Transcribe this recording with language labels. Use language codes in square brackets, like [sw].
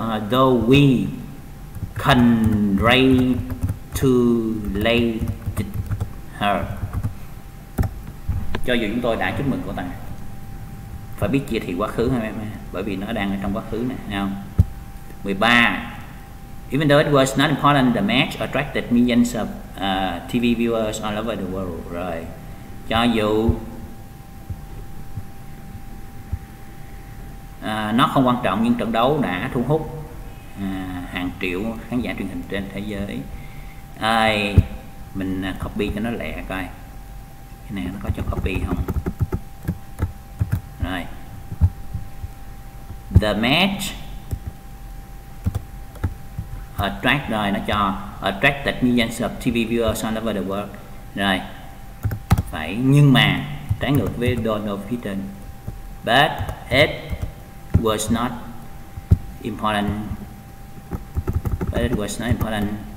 [en] Though we congratulate her. [vi] Cho dù chúng tôi đã chúc mừng cô ta. Phải biết chia thì quá khứ hả em, bởi vì nó đang ở trong quá khứ nè, thấy không? 13. [en] Even though it was not important, the match attracted millions of TV viewers all over the world. [vi] Rồi. Cho dù nó không quan trọng, nhưng trận đấu đã thu hút hàng triệu khán giả truyền hình trên thế giới. Ai mình copy cho nó lẹ coi. Cái này nó có cho copy không? Rồi. [en] The match attract, [vi] rồi nó cho [en] attracted millions of TV viewers all over the world. [vi] Rồi. Phải, nhưng mà trái ngược với Donald Fitton. [en] But it was not important. But it was not important.